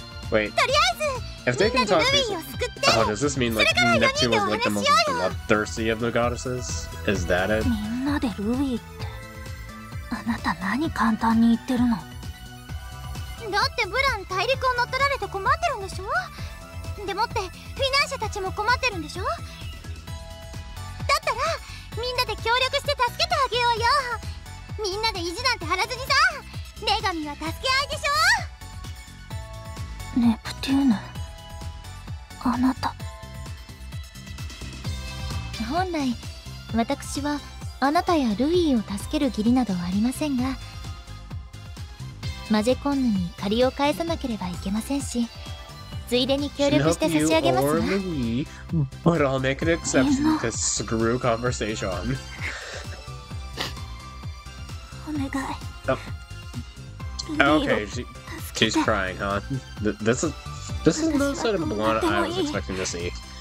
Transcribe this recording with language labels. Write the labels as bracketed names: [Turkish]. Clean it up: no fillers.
[English] Wait, if they can talk, oh, does this mean like Neptune was like the most bloodthirsty of the goddesses? Is that it? [Japanese] みんなでルイって、あなた何簡単に言ってるの？だってブラン大陸を乗っ取られて困ってるんでしょ？でもってフィナンシェたちも困ってるんでしょ？だったらみんなで協力して助けてあげようよ。みんなで意地なんて張らずにさ、女神は助け合いでしょ。ネプテューヌ、あなた。本来、私はあなたやルイを助ける義理などはありませんが、マジェコンヌに借りを返さなければいけませんし、ついでに協力して差し上げますわ。 [English] Lowee, but I'll make an exception to screw conversation. [Japanese] お願い。 [English] Okay, she's crying, huh? This is not sort of blonde I was expecting to see.